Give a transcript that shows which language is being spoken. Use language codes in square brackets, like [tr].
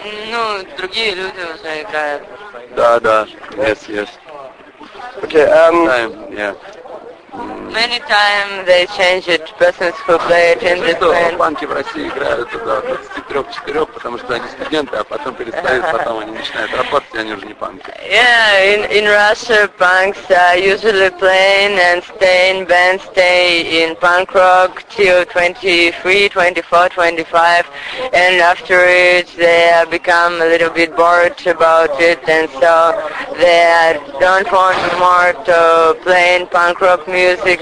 [ru] No, другие люди уже играют. Да, yes. [en] Okay, Many times they change it, persons who play it in the band. [ru] Панки в России играют до 23-4, потому что они студенты, а потом перестают, потом они начинают работать, и они уже не панки. [en] Yeah, in Russia, punks are usually playing and staying band, stay in punk rock till 23, 24, 25, and after it they have become a little bit bored about it, and so they don't want more to play in punk rock music.